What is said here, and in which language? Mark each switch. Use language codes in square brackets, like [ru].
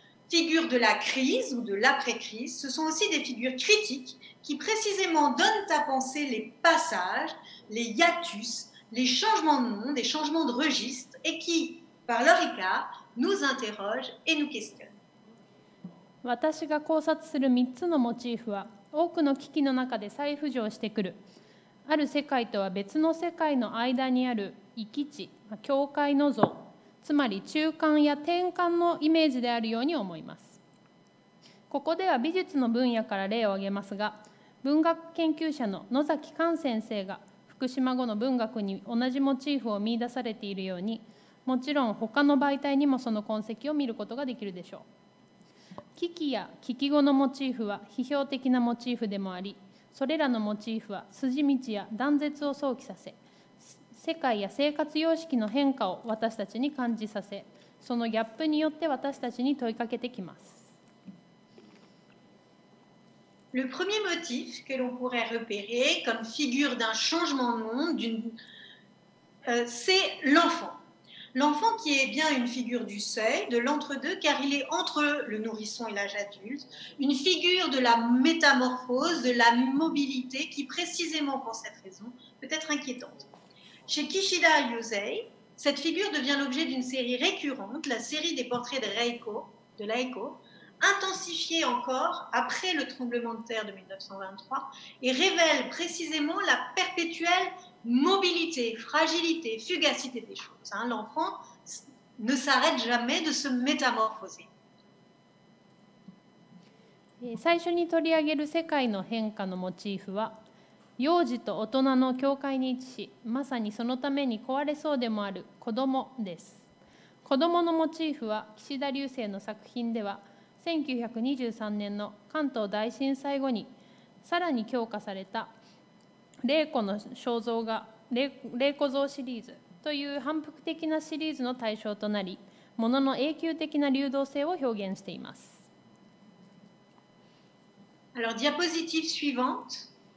[fr] Figures de la crise ou de l'après-crise, ce sont aussi des figures critiques qui précisément donnent à penser les passages, les hiatus, les changements de nom, des changements de registre et qui, par leur écart, nous interrogent et nous questionnent. [ja] 私が考察する3つのモチーフは、多くの危機の中で再浮上してくる。ある世界とは別の世界の間にある異基地、境界の像、つまり中間や転換のイメージであるように思います。ここでは美術の分野から例を挙げますが、文学研究者の野崎寛先生が福島後の文学に同じモチーフを見出されているように、もちろん他の媒体にもその痕跡を見ることができるでしょう。危機や危機後のモチーフは批評的なモチーフでもあり、それらのモチーフは筋道や断絶を想起させ、世界や生活様式の変化を私たちに感じさせ、そのギャップによって私たちに問いかけてきます。 [fr] Le premier motif que l'on pourrait repérer comme figure d'un changement de monde, c'est l'enfant. L'enfant qui est bien une figure du seuil, de l'entre-deux, car il est entre le nourrisson et l'âge adulte, une figure de la métamorphose, de la mobilité, qui précisément pour cette raison peut être inquiétante. Chez Kishida Yusei, cette figure devient l'objet d'une série récurrente, la série des portraits de Reiko, intensifiée encore après le tremblement de terre de 1923, et révèle précisément la perpétuelle mobilité, fragilité, fugacité des choses. L'enfant ne s'arrête jamais de se métamorphoser. [ja] 最初に取り上げる世界の変化のモチーフは、幼児と大人の境界に位置し、まさにそのために壊れそうでもある子供です。子供のモチーフは、岸田劉生の作品では、1923年の関東大震災後にさらに強化された霊子の肖像が霊子像シリーズという反復的なシリーズの対象となり、ものの永久的な流動性を表現しています。 [fr] Alors, diapositive suivante.